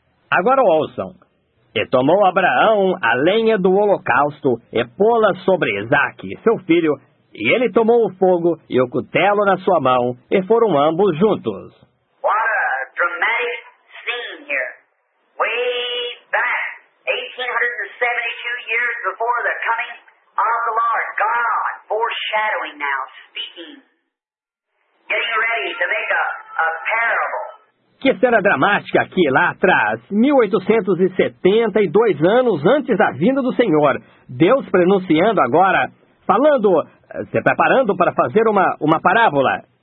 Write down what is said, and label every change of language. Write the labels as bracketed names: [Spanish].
[Portuguese] Agora ouçam. E tomou Abraão a lenha do holocausto e pô-la sobre Isaque, seu filho, e ele tomou o fogo e o cutelo na sua mão, e foram ambos juntos. [English] What a dramatic scene here. Way back, 1872 years before the coming of the Lord, God foreshadowing now, speaking, getting ready to make a parable. [Portuguese] Que cena dramática aqui, lá atrás, 1872 anos antes da vinda do Senhor. Deus pronunciando agora, falando, se preparando para fazer uma parábola.